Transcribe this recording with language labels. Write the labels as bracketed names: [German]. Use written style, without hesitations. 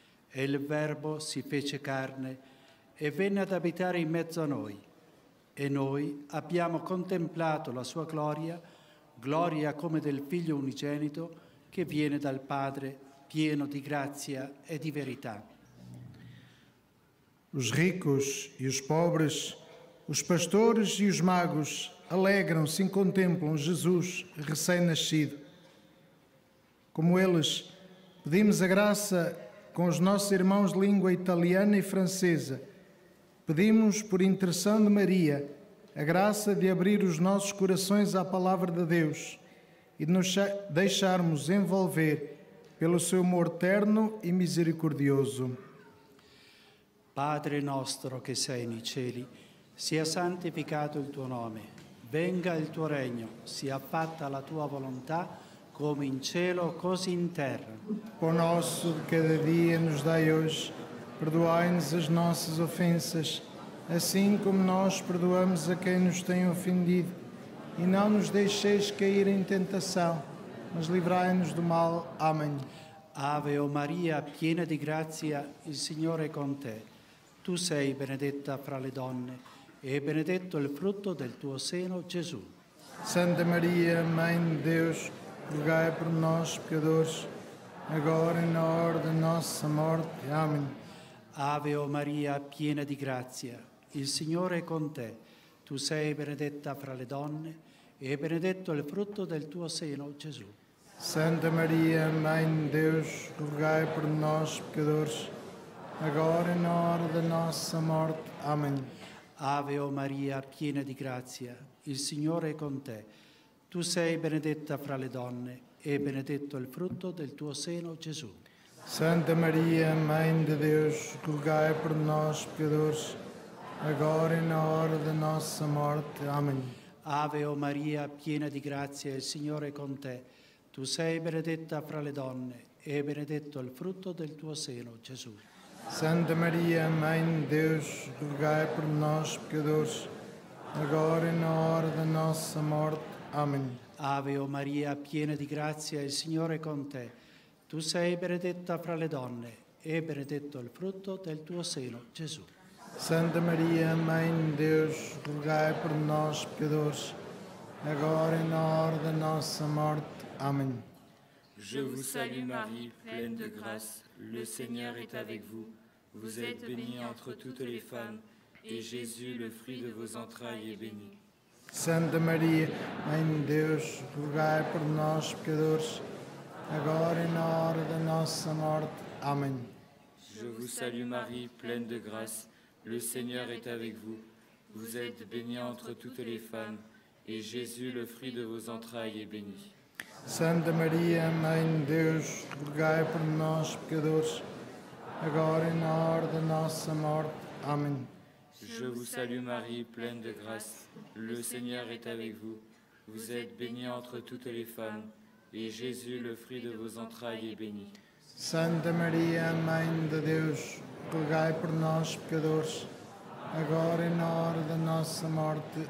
[Italian] E il Verbo si fece carne e venne ad abitare in mezzo a noi. E noi abbiamo contemplato la sua gloria, gloria come del Figlio unigenito che viene dal Padre, pieno di grazia e di verità. [Portuguese] Os ricos e os pobres, os pastores e os magos alegram-se e contemplam Jesus recém-nascido. Como eles, pedimos a graça com os nossos irmãos de língua italiana e francesa. Pedimos, por intercessão de Maria, a graça de abrir os nossos corações à palavra de Deus e de nos deixarmos envolver pelo seu amor terno e misericordioso. Padre nostro che sei nei cieli, sia santificato il tuo nome, venga il tuo regno, sia fatta la tua volontà, come in cielo, così in terra. Pão nosso de cada dia nos dai hoje, perdoai-nos as nossas ofensas, assim como nós perdoamos a quem nos tem ofendido. E não nos deixeis cair em tentação, mas livrai-nos do mal. Amém. Ave Maria, [Italian] piena [Portuguese] de graça, o Senhor é com te. [Italian] Tu sei benedetta fra le donne, e benedetto il frutto del tuo seno, Gesù. [Portuguese] Santa Maria, Mãe de Deus, rogai por nós, pecadores, agora e na hora da nossa morte. Amém. [Italian] Ave Maria, piena di grazia, il Signore è con te. Tu sei benedetta fra le donne, e benedetto il frutto del tuo seno, Gesù. [Portuguese] Santa Maria, Mãe de Deus, rogai por nós, pecadores, agora e na hora da nossa morte. Amém. [Italian] Ave Maria, piena di grazia, il Signore è con te. Tu sei benedetta fra le donne, e benedetto il frutto del tuo seno, Gesù. [Portuguese] Santa Maria, Mãe de Deus, rogai por nós, pecadores, agora e na hora da nossa morte. Amém. [Italian] Ave Maria, piena di grazia, il Signore è con te. Tu sei benedetta fra le donne, e benedetto il frutto del tuo seno, Gesù. [Portuguese] Santa Maria, Mãe de Deus, rogai por nós, pecadores, agora e na hora da nossa morte. Amém. [Italian] Ave Maria, piena di grazia, il Signore è con te. Tu sei benedetta fra le donne, e benedetto il frutto del tuo seno, Gesù. [Portuguese] Santa Maria, Mãe de Deus, rogai [Italian] per noi peccatori, [Portuguese] agora e [Italian] nell'ora della nostra morte. Amen. [French] Je vous salue, Marie, pleine de grâce. Le Seigneur est avec vous. Vous êtes bénie entre toutes les femmes, et Jésus, le fruit de vos entrailles, est béni. [Portuguese] Santa Maria, Mãe de Deus, rogai [Italian] per noi peccatori, [Portuguese] agora e na hora da nossa morte. Amém. [French] Je vous salue, Marie, pleine de grâce. Le Seigneur est avec vous. Vous êtes bénie entre toutes les femmes, et Jésus, le fruit de vos entrailles, est béni. [Portuguese] Santa Maria, Mãe de Deus, rogai por nós, pecadores, agora e na hora da nossa morte. Amém. [French] Je vous salue, Marie, pleine de grâce. Le Seigneur est avec vous. Vous êtes bénie entre toutes les femmes, et Jésus, le fruit de vos entrailles, est béni. [Portuguese] Santa Maria, Mãe de Deus, rogai por nós, pecadores, agora e na hora da nossa morte.